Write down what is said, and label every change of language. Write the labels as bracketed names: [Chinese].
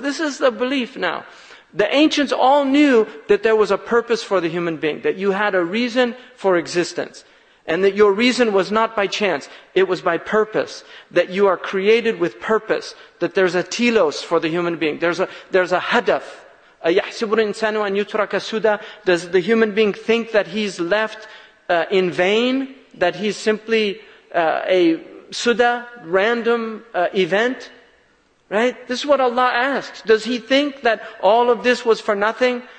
[English] This is the belief now. The ancients all knew that there was a purpose for the human being, that you had a reason for existence, and that your reason was not by chance, it was by purpose, that you are created with purpose, that there's a telos for the human being, there's a hadaf. [Arabic] أَيَحْسِبُ الْإِنسَانُ أَنْ يُتْرَكَ سُدَى. [English] Does the human being think that he's left in vain, that he's simply a Suda, random event, right? This is what Allah asks. Does he think that all of this was for nothing?